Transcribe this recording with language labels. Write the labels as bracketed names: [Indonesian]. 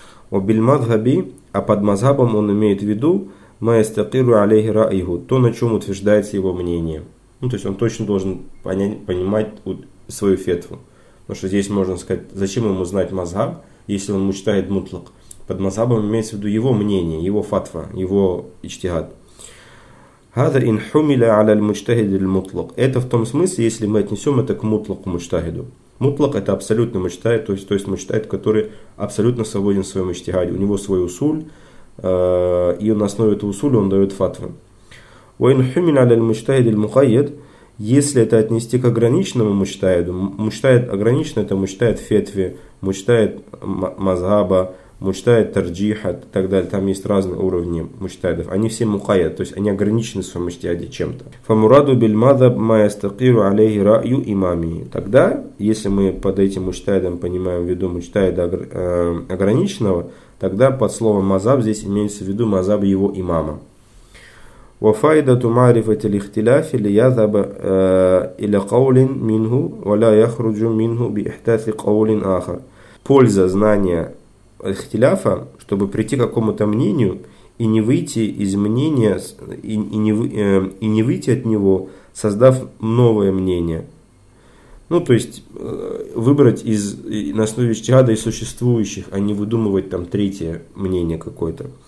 [Russian] Обильмадхаби, а под мазхабом он имеет в виду [Arabic] маястакиру алейхи раиху, [Russian] то, на чем утверждается его мнение. Ну, то есть он точно должен понимать свою фетву. Потому что здесь можно сказать, зачем ему знать мазхаб, если он мучтахид мутлак. Под мазхабом имеется в виду его мнение, его фатва, его иджтихад. [Arabic] هذا إن حمل على المجتهد المطلق. [Russian] Это в том смысле, если мы отнесем это к мутлаку мучтахиду. Мутлак это абсолютный мучтахид, то есть мучтахид, который абсолютно свободен в своем мучтахиде. У него свой усуль, и на основе этого усуля он дает фатвы. [Arabic] وإن حمل على المجتهد المقيد. [Russian] Если это отнести к ограниченному мучтаиду, мучтаид ограниченный – это мучтаид фетви, мучтаид мазгаба, мучтаид тарджиха и так далее. Там есть разные уровни мучтаидов. Они все мухаяд, то есть они ограничены в своем мучтаиде чем-то. [Arabic] «Фамураду биль мазаб маястакиру алейхи раю имамии». [Russian] Тогда, если мы под этим мучтаидом понимаем в виду мучтаида ограниченного, тогда под словом «мазаб» здесь имеется в виду мазаб его имама. [Arabic] وفائدة معرفة الاختلاف ليذهب إلى قول منه ولا يخرج منه بإحداث قول آخر. [Russian] Польза знания ихтиляфа, чтобы прийти к какому-то мнению и не выйти из мнения и не выйти от него, создав новое мнение. Ну, то есть выбрать из на основе ичтихада из существующих, а не выдумывать там третье мнение какое-то.